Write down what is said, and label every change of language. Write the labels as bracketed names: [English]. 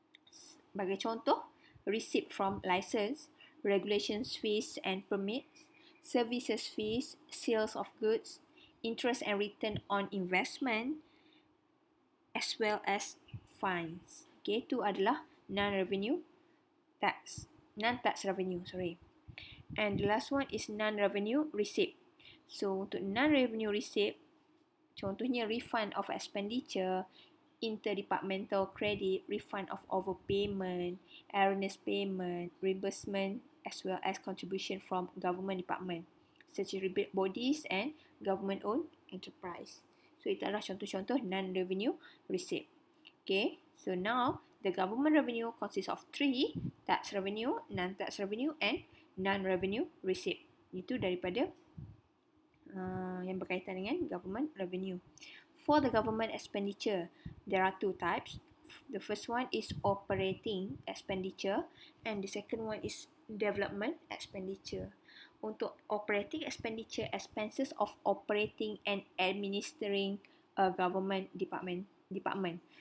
[Malay] Sebagai contoh, [English] receipt from license, regulation fees and permits, services fees, sales of goods, interest and return on investment, as well as fines. [Malay] Okay, itu adalah non-revenue tax. [English] Non-tax revenue, sorry. And the last one is non-revenue receipt. So, untuk non-revenue receipt, contohnya refund of expenditure, interdepartmental credit, refund of overpayment, erroneous payment, reimbursement, as well as contribution from government department, such as rebate bodies and government-owned enterprise. [Malay] So, itu adalah contoh-contoh non-revenue receipt. [English] Okay, so now, the government revenue consists of three, tax revenue, non-tax revenue, and non-revenue receipt. [Malay] Itu daripada yang berkaitan dengan government revenue. [English] For the government expenditure, there are two types. The first one is operating expenditure, and the second one is development expenditure. [Malay] Untuk [English] operating expenditure, expenses of operating and administering a government department.